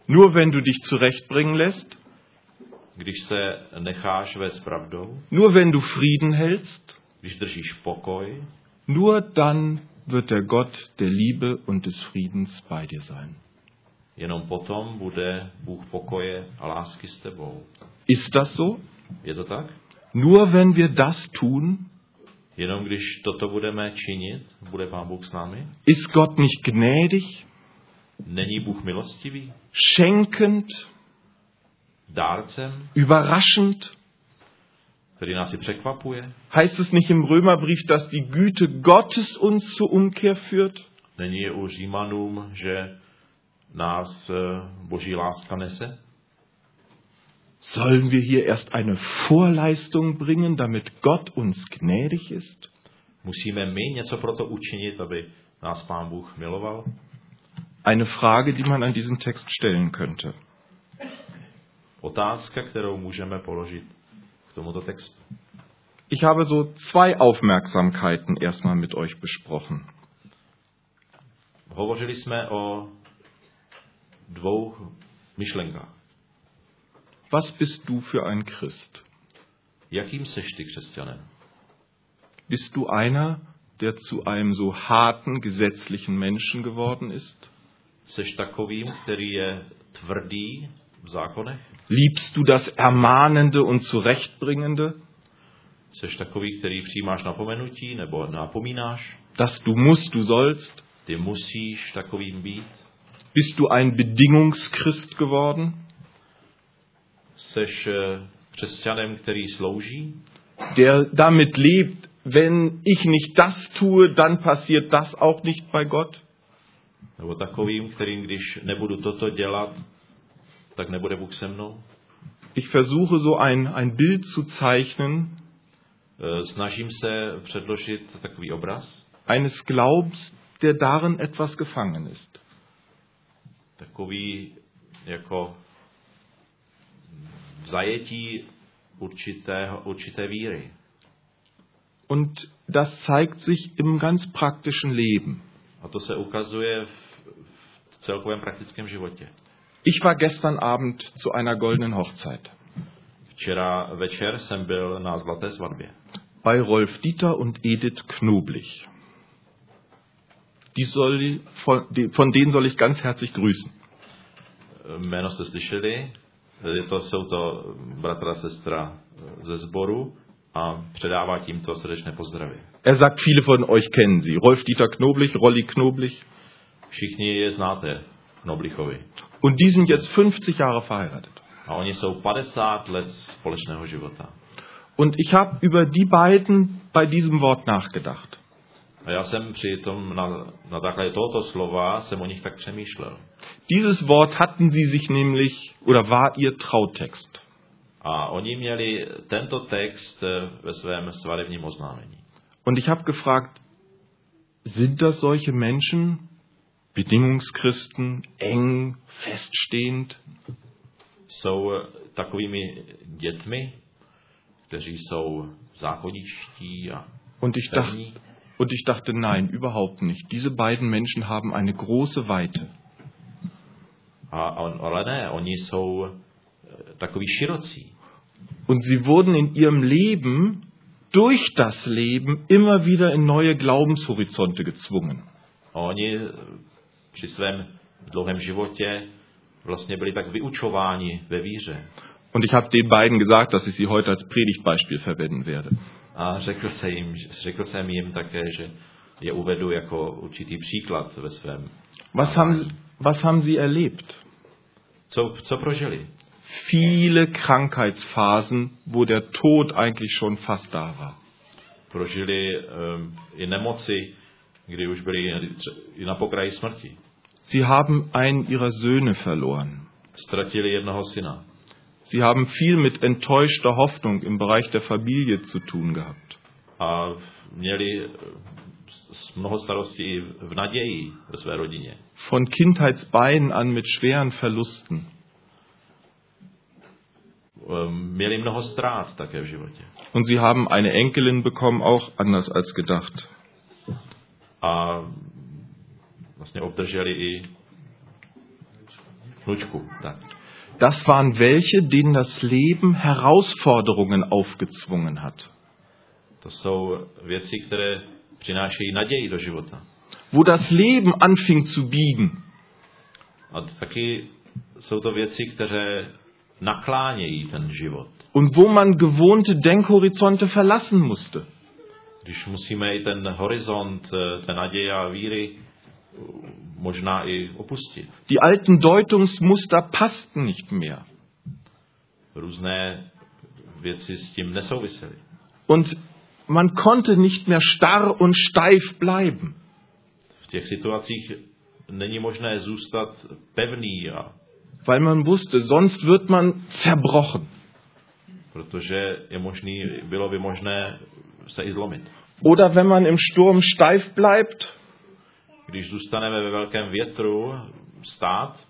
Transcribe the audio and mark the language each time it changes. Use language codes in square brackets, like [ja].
[de] Nur wenn du dich zurechtbringen lässt. [cs] Když se necháš vést pravdou. [de] Nur wenn du Frieden hältst. [cs] Když držíš pokoj. [de] Nur dann wird der Gott der Liebe und des Friedens bei dir sein. [cs] Jenom potom bude Bůh pokoje a lásky s tebou. [de] Ist das so? [cs] Je to tak? [de] Nur wenn wir das tun, [cs] jenom když toto budeme činit, bude Pán Bůh s námi? [de] Ist Gott nicht gnädig? [cs] Není Bůh milostivý? [de] Schenkend? [cs] Dárcem? [de] Überraschend? [cs] Který nás i překvapuje? [de] Heißt es nicht im Römerbrief, dass die Güte Gottes uns zur Umkehr führt? [cs] Není u Římanům, že nás Boží láska nese? [de] Sollen wir hier erst eine Vorleistung bringen, damit Gott uns gnädig ist? [cs] Musíme my něco pro to učinit, aby nás Pán Bůh miloval? [de] Eine Frage, die man an diesen Text stellen könnte. [cs] Otázka, kterou můžeme položit k tomuto textu. [de] Ich habe so zwei Aufmerksamkeiten erstmal mit euch besprochen. [cs] Hovořili jsme o dvou myšlenkách. [de] Was bist du für ein Christ? [cs] Jakým seš ty křesťanem? [de] Bist du einer, der zu einem so harten, gesetzlichen Menschen geworden ist? [cs] Seš takovým, který je tvrdý v zákonech? [de] Liebst du das Ermahnende und Zurechtbringende? [cs] Seš takový, který přijímáš napomenutí nebo napomínáš? [de] Dass du musst, du sollst? [cs] Ty musíš takovým být? [de] Bist du ein Bedingungschrist geworden? [cs] Seš křesťanem, který slouží? [de] Der damit lebt, wenn ich nicht das tue, dann passiert das auch nicht bei Gott? [cs] Nebo takovým, kterým, když nebudu toto dělat, tak nebude Bůh se mnou? [de] Ich versuche so ein Bild zu zeichnen. [cs] Snažím se předložit takový obraz. [de] Eines Glaubens, der darin etwas gefangen ist. [cs] Takový jako v zajetí určité víry. [de] Und das zeigt sich im ganz praktischen Leben. [cs] A to se ukazuje v celkovém praktickém životě. [de] Ich war gestern Abend zu einer goldenen Hochzeit. [cs] Včera večer jsem byl na zlaté svatbě. [de] Bei Rolf Dieter und Edith Knoblich. Die soll von denen soll ich ganz herzlich grüßen. [cs] Jméno jste slyšeli, jsou to bratr a sestra ze sboru a předává tímto srdečné pozdravy. [de] Er sagt, viele von euch kennen sie. Rolf Dieter Knoblich, Rolli Knoblich. [cs] Všichni je znáte, Knoblichovi. [de] Und die sind jetzt 50 Jahre verheiratet. [cs] A oni jsou 50 let společného života. [de] Und ich habe über die beiden bei diesem Wort nachgedacht. [cs] A já jsem při tom na základě tohoto slova jsem o nich tak přemýšlel. [de] Dieses Wort hatten sie sich nämlich oder war ihr Trautext. [cs] A oni měli tento text ve svém svatebním oznámení. [de] Und ich habe gefragt, sind das solche Menschen, Bedingungschristen, eng, feststehend? [cs] Jsou takovými dětmi, kteří jsou zákonničtí a pevní? [de] Und ich dachte, nein, überhaupt nicht. Diese beiden Menschen haben eine große Weite. [cs] Ale ne, oni jsou takový širocí. [de] Und sie wurden in ihrem Leben, durch das Leben, immer wieder in neue Glaubenshorizonte gezwungen. [cs] Oni při svém dlouhém životě vlastně byli tak vyučováni ve víře. [de] Und ich habe den beiden gesagt, dass ich sie heute als Predigtbeispiel verwenden werde. [cs] A řekl jsem jim také, že je uvedu jako určitý příklad ve svém. [de] Was haben sie erlebt? [cs] Co prožili? [de] Viele Krankheitsphasen, wo der Tod eigentlich schon fast da war. [cs] Prožili i nemoci, kdy už byli i na pokraji smrti. [de] Sie haben einen ihrer Söhne verloren. [cs] Ztratili jednoho syna. [de] Sie haben viel mit enttäuschter Hoffnung im Bereich der Familie zu tun gehabt. [cs] A měli mnoho starosti i v naději ve své rodině. [de] Von Kindheitsbeinen an mit schweren Verlusten. [cs] Měli mnoho ztrát také v životě. [de] Und sie haben eine Enkelin bekommen, auch anders als gedacht. [cs] A vlastně obdrželi i vnučku, tak. [de] Das waren welche, denen das Leben Herausforderungen aufgezwungen hat. [cs] Das jsou věci, které přinášejí naději do života. [de] Wo das Leben anfing zu biegen. [cs] A taky jsou to věci, které naklánějí ten život. [de] Und wo man gewohnte Denkhorizonte verlassen musste. [cs] Když musíme i ten horizont, ten naděje a víry možná i opustit. [de] Die alten Deutungsmuster passten nicht mehr. [cs] Různé věci s tím nesouvisely. [de] Und man konnte nicht mehr starr und steif bleiben. [cs] V těch situacích není možné zůstat pevný. [de] Weil man wusste, sonst wird man zerbrochen. [cs] Protože bylo by možné se i zlomit. [de] Oder wenn man im Sturm steif bleibt, [cs] když zůstaneme ve velkém větru stát